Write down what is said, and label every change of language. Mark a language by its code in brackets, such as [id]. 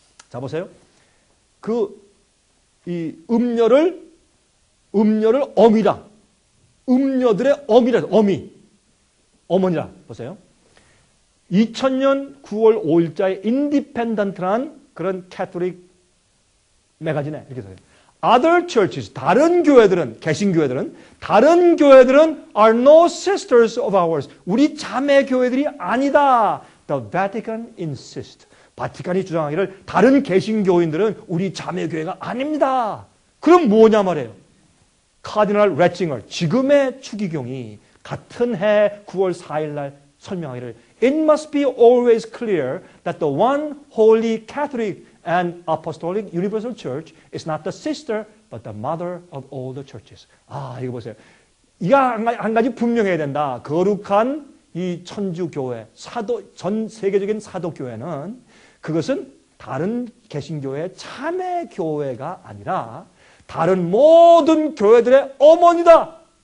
[ko] 자, 보세요. 그, 이 음녀를 어미라. 음녀들의 어미라. 어미. 어머니라. 보세요. 2000년 9월 5일자에 인디펜던트란 그런 캐토릭 매거진에 이렇게 써요. [en] Other churches, [ko] 다른 교회들은, 개신교회들은, 다른 교회들은 [en] are no sisters of ours. [ko] 우리 자매 교회들이 아니다. [en] The Vatican insists. [ko] 바티칸이 주장하기를 다른 개신교인들은 우리 자매 교회가 아닙니다. 그럼 뭐냐 말이에요. 카디널 레칭을, 지금의 추기경이 같은 해 9월 4일날 설명하기를 [en] It must be always clear that the one holy Catholic An apostolic universal church is not the sister, but the mother of all the churches. [ko] 아, 이거 보세요. 이거 한 가지 분명해야 된다. 거룩한 이 천주교회, 사도, 전 세계적인 사도교회는 그것은 다른 개신교회의 참회교회가 아니라 다른 모든 교회들의 어머니다.